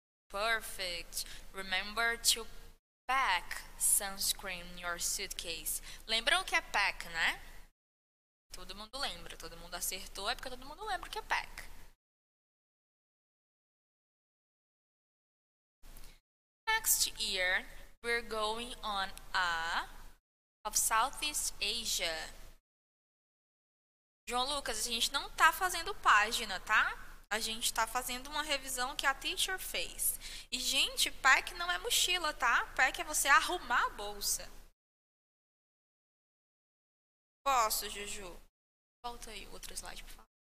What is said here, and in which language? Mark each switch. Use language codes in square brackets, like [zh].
[en] Perfect. Remember to pack sunscreen in your suitcase. [pt] Lembram que é pack, né? Todo mundo lembra. Todo mundo acertou. É porque todo mundo lembra que é pack. [en] Next year, we're going on a of Southeast Asia. [pt] João Lucas, a gente não tá fazendo página, tá? A gente tá fazendo uma revisão que a teacher fez. E, gente, pack não é mochila, tá? Pack é você arrumar a bolsa. Posso, Juju? Volta aí o outro slide, por favor.